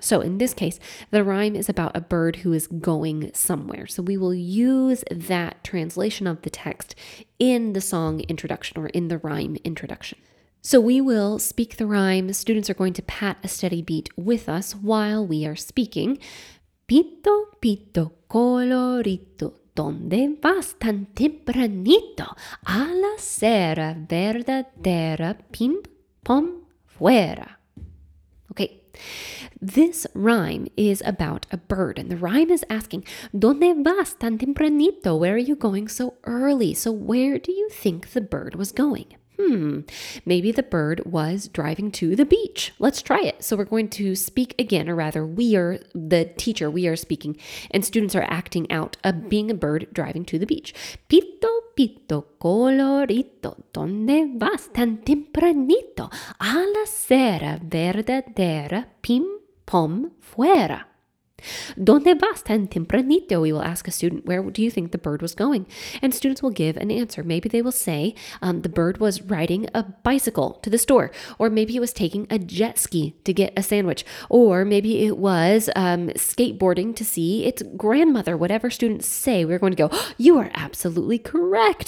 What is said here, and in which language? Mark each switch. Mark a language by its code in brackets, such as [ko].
[en] So in this case, the rhyme is about a bird who is going somewhere. So we will use that translation of the text in the song introduction or in the rhyme introduction. So we will speak the rhyme. Students are going to pat a steady beat with us while we are speaking. [es] Pito, pito, colorito, ¿dónde vas tan tempranito? A la cera verdadera, pim, pom, fuera. Okay. [en] This rhyme is about a bird, and the rhyme is asking, [es] ¿dónde vas tan tempranito? [en] Where are you going so early? So where do you think the bird was going? Maybe the bird was driving to the beach. Let's try it. So we're going to speak again, or rather we are the teacher, we are speaking, and students are acting out a being a bird driving to the beach. [es] Pito, pito, colorito, ¿dónde vas tan tempranito? A la cera verdadera, pim, pom, fuera. ¿Dónde vas tan tempranito? [en] We will ask a student, where do you think the bird was going? And students will give an answer. Maybe they will say the bird was riding a bicycle to the store, or maybe it was taking a jet ski to get a sandwich, or maybe it was skateboarding to see its grandmother. Whatever students say, we're going to go, oh, you are absolutely correct.